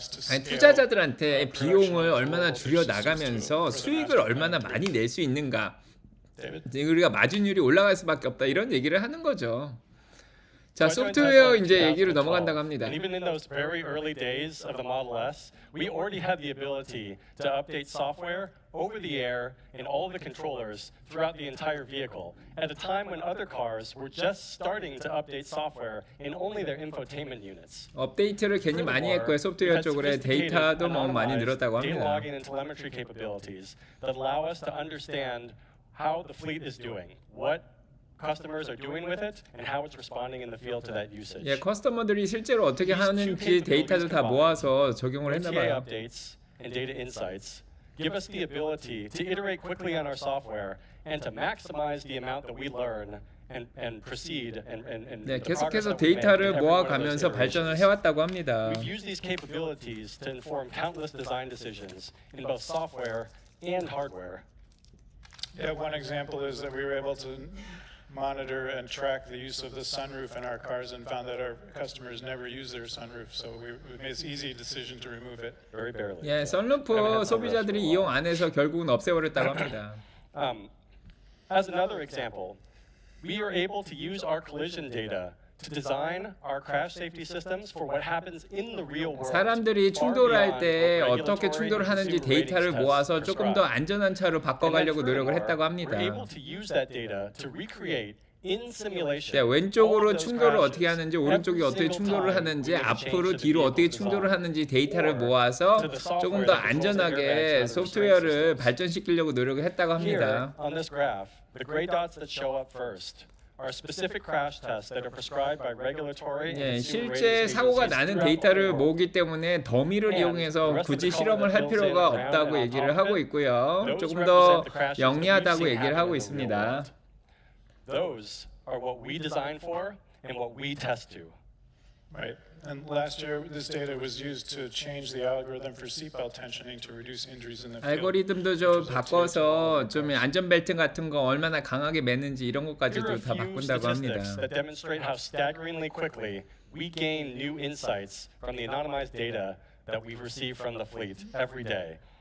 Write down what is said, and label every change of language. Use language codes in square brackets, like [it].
[ko] 아니, 투자자들한테 비용을 얼마나 줄여 나가면서 수익을 얼마나 많이 낼 수 있는가. 우리가 마진율이 올라갈 수밖에 없다 이런 얘기를 하는 거죠. 자, 소프트웨어 이제 얘기로 넘어간다고 합니다. [en] Even in those very early days of the Model S, we already had the ability to update software over the air in all the controllers throughout the entire vehicle at a time when other cars were just starting to update software in only their infotainment units. [ko] 업데이트를 괜히 많이 했고요. 소프트웨어 쪽으로 데이터도 뭐 많이 늘었다고 합니다. [en] Data logging and telemetry capabilities that allow us to understand how the fleet is doing. What customers are doing with it and how it's responding in the field to that usage. [ko] 예, 커스터머들이 실제로 어떻게 하는지 데이터를 다 모아서 적용을 했나 봐요. [en] OTA updates and data insights give us the ability to iterate quickly on our software and to maximize the amount that we learn and proceed and [ko] 네, 계속해서 데이터를 모아 가면서 발전을 해 왔다고 합니다. [en] We've used these capabilities to inform countless design decisions in both software and hardware. Yeah, one example is that we were able to monitor and track the use of the sunroof in our cars and found that our customers never use their sunroof, so we made an easy decision to remove it. Very barely. [ko] Yeah, 선루프 소비자들이 이용 안 해서 결국은 없애버렸다고 합니다. [en] As another example, we are able to use our collision data to design our crash safety systems for what happens in the real world. [ko] 사람들이 충돌할 때 어떻게 충돌하는지 데이터를 모아서 조금 더 안전한 차로 바꿔가려고 노력을 했다고 합니다. [en] We're able to use that data to recreate in simulation. [ko] 네, 왼쪽으로 충돌을 어떻게 하는지, 오른쪽이 어떻게 충돌을 하는지, 앞으로 뒤로 어떻게 충돌을 하는지 데이터를 모아서 조금 더 안전하게 소프트웨어를 발전시키려고 노력을 했다고 합니다. [en] On this graph, the gray dots that show up first are specific crash tests that are prescribed by regulatory and simulated. [ko] 실제 사고가 나는 데이터를 모으기 때문에 더미를 이용해서 굳이 실험을 할 필요가 없다고 얘기를 하고 있고요. 조금 더 영리하다고 얘기를 하고 있습니다. [en] Those are what we design for and what we test to. Right. And last year, this data was used to change the algorithm for seatbelt tensioning to reduce injuries in the field. [ko] 알고리즘도 좀 바꿔서 좀 안전벨트 같은 거 얼마나 강하게 매는지 이런 것까지도 다 바꾼다고 합니다. [en] Here are a few statistics that demonstrate how staggeringly quickly we gain new insights from the anonymized data that we receive from the fleet every day.